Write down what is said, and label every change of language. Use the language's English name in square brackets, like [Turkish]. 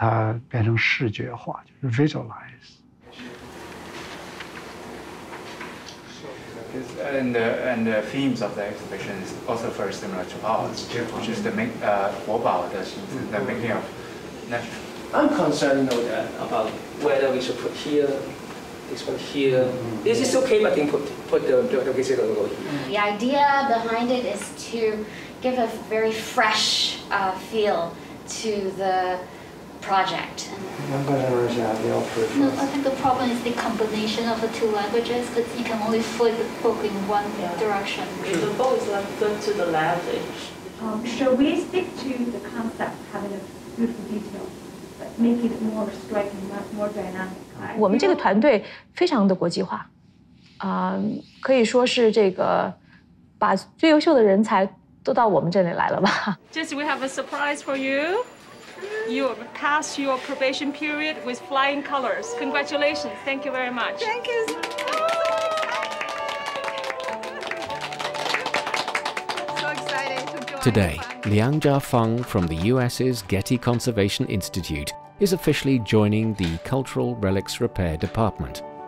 [Chinese] 我现在是在故宫担任他们首席研究员。我最重要的就是展览研究，作为我们这个所有策展人的这个领班和展览的好坏，研究水平的高低，还有未来的收藏，是什么样的，我要负很大责任。设计部是密切合作，设计部是要按照策展人研究员的思路来把它变成视觉化，就是 visualize。 [English] And the themes of the exhibition is also very similar to ours, which is the making of natural. I'm concerned, about whether we should put here, this one here. Mm-hmm. Is this okay, but then put the visitor logo here? The idea behind it is to give a very fresh feel to the project. No, I think the problem is the combination of the two languages, because you can only flip the book in one direction. The book is like good to the language. Shall we stick to the concept, having a beautiful detail, but make it more striking, more dynamic? [Chinese] 我们这个团队非常的国际化。可以说是这个把最优秀的人才都到我们这里来了吧。 [English] Jesse, we have a surprise for you. You passed your probation period with flying colors. Congratulations. Thank you very much. Thank you. So excited to join. Today, Liang Jiafeng from the US's Getty Conservation Institute is officially joining the Cultural Relics Repair Department.